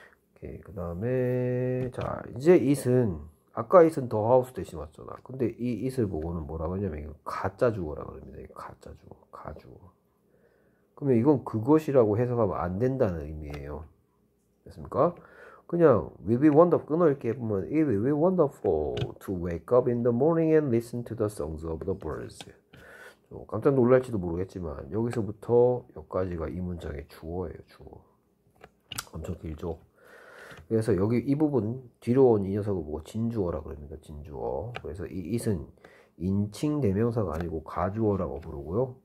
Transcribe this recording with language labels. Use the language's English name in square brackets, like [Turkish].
[Korean] 오케이, 그다음에 자 이제 it은 아까 it은 더 하우스 대신 왔잖아. 근데 이 it을 보고는 뭐라고 하냐면 이거 가짜 주어라 그럽니다. 가짜 주어, 가주어. 그러면 이건 그것이라고 해석하면 안 된다는 의미예요. 됐습니까? 그냥 [English] will be wonderful [Korean] 끊을게 보면 [English] it will be wonderful to wake up in the morning and listen to the songs of the birds. [Korean] 깜짝 놀랄지도 모르겠지만 여기서부터 여기까지가 이 문장의 주어예요. 주어 엄청 길죠. 그래서 여기 이 부분 뒤로 온이 녀석을 보고 진주어라 그럽니다. 진주어. 그래서 이 it은 인칭 대명사가 아니고 가주어라고 부르고요.